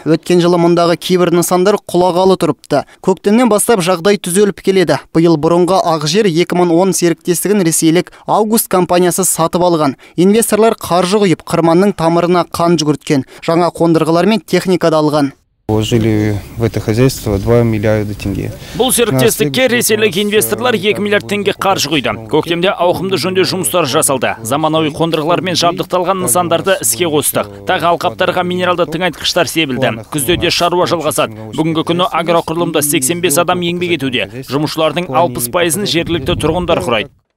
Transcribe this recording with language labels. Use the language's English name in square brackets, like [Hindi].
[Kazakh] Өткен жылы мұндағы кейбір нысандар құлағалы тұрыпты. Көктемнен бастап жағдай түзеліп келеді. Биыл бұрынғы Ақжер 2010 серіктестігін ресейлік Август компаниясы сатып алған. Инвесторлар қаржы құйып, қырманның тамырына қан жүгірткен. Жаңа қондырғылар мен техника да алған. [Russian] Вложили в это хозяйство 2 миллиарда тенге. [Kazakh] Бұл серіктестікке ресейлік инвесторлар 2 миллиард тенге қаржы құйды. Көктемде ауқымды жөнде жұмыстар жасалды. Заманауи қондырғылармен жабдықталған нысандарды іске қостық. Тағы алқаптарға минералды тыңайтқыштар себілді. Күзде де шаруа жалғасады. Бүгінгі күні агроқұрылымда 85 адам еңбек етуде. Жұмысшылардың 60% жергілікті тұрғындар құрайды.